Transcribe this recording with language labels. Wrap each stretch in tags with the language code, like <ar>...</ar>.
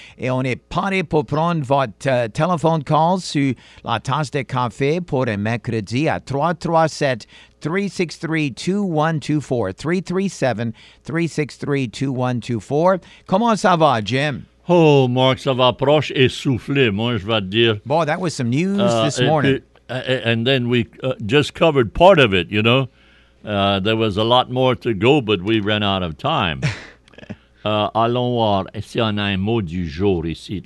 <fr>Et on est paré pour prendre votre téléphone call sur la tasse de café pour un mercredi à 337-363-2124, 337-363-2124. Comment ça va, Jim? Oh, Mark, ça va proche et soufflé, moi, je vais te dire.</fr> <en>Boy, that was some news this morning. And then we just covered part of it, you know. There was a lot more to go, but we ran out of time.</en> <fr>allons voir si on a un mot du jour ici.</fr>